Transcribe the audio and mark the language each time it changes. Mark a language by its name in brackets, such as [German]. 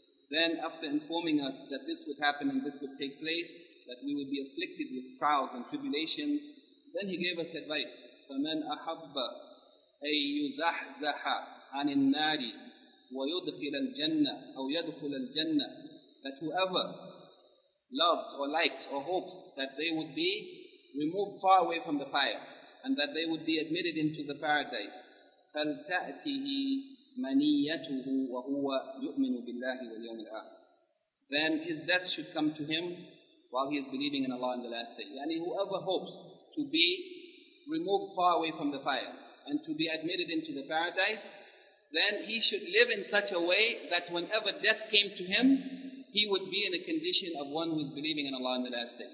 [English] Then after informing us that this would happen and this would take place, that we would be afflicted with trials and tribulations, then he gave us advice, فَمَنْ أَحَبَّ أي يزحزح عن النار ويدخل الجنة أو يدخل الجنة, that whoever loves or likes or hopes that they would be removed far away from the fire and that they would be admitted into the paradise, فلتأتيه [Arabic] منيته وهو يؤمن بالله واليوم الآخر. [English] Then his death should come to him while he is believing in Allah in the last day. And whoever hopes to be removed far away from the fire and to be admitted into the paradise, then he should live in such a way that whenever death came to him, he would be in a condition of one who is believing in Allah in the last day.